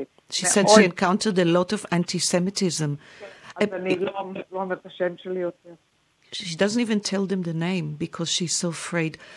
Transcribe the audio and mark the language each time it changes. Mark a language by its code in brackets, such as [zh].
[en] She said she encountered a lot of anti-Semitism. [he] אז אני לא אומר את השם שלי יותר. [en] She doesn't even tell them the name because she's so afraid.